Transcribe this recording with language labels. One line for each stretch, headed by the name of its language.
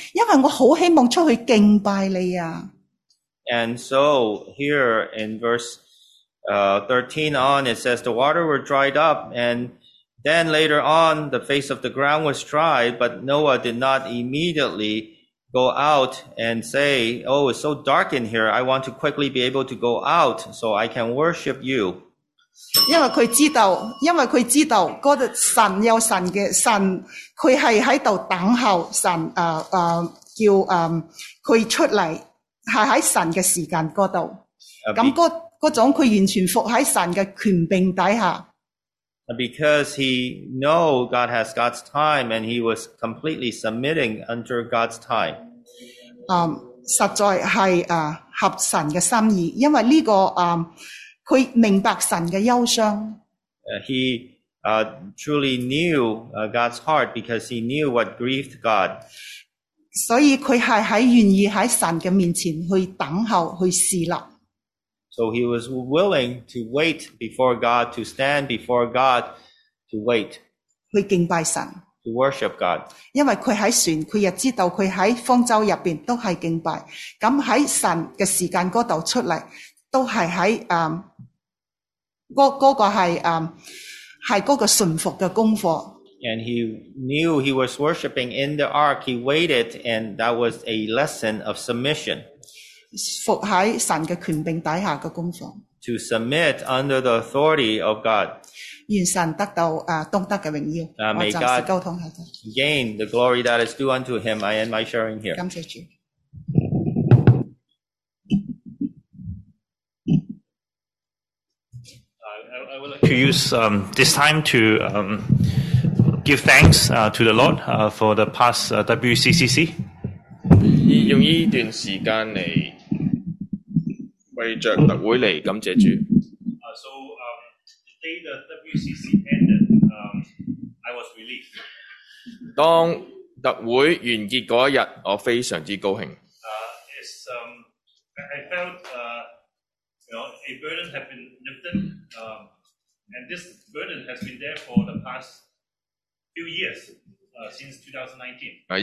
Cantonese: 因为我好希望出去敬拜你啊。
English: And so here in verse 13 on, it says the water were dried up, and then later on the face of the ground was dried, but Noah did not immediately go out and say, Oh, it's so dark in here, I want to quickly be able to go out so I can worship you.
Cantonese: 因为佢知道嗰个神有神嘅神，佢系喺度等候神，叫佢出嚟，系喺神嘅时间嗰度。咁嗰种佢完全服喺神嘅权柄底下。
English: Because he know God has God's time, and he was completely submitting under God's time.
Cantonese: 实在系合神嘅心意，因为呢、这个佢明白神嘅忧伤。
English: He truly knew God's heart because he knew what grieved God.
Cantonese: 所以佢系喺愿意喺神嘅面前去等候去侍立。
English: So he was willing to wait before God, to stand before God, to wait.
Cantonese: 去敬拜神。
English: To worship God.
Cantonese: 因为佢喺船，佢又知道佢喺方舟入边都系敬拜。咁喺神嘅时间嗰度出嚟。都系喺嗰个系系嗰个顺服嘅功课。
English: And he knew he was worshiping in the ark. He waited, and that was a lesson of submission.
Cantonese: 服喺神嘅权柄底下嘅功课。
English: To submit under the authority of God.
Cantonese: 愿神得到东德嘅荣耀。
English: May God gain the glory that is due unto him. I end my sharing here.
Cantonese: 感谢主。
English: I would like to use this time to give thanks to the Lord for the past WCCC.
Cantonese: 用呢段时间嚟为着特会嚟感谢主。
English: The day the WCC ended, I was relieved.
Cantonese: 当特会完结嗰一日，我非常之高兴。
English: I felt a burden had been lifted, and this burden has been there for the past few years, since 2019.